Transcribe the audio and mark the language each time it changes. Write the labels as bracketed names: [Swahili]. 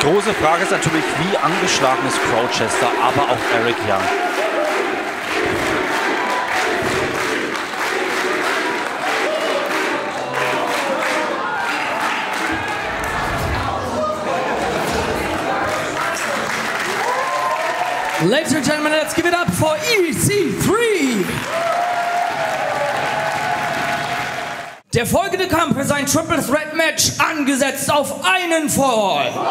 [German] Die große Frage ist natürlich, wie angeschlagen ist Crowchester, aber auch Eric Young. [English] Ladies and gentlemen, let's give it up for EC3. [German] Der folgende Kampf ist ein Triple Threat Match angesetzt auf einen Fall.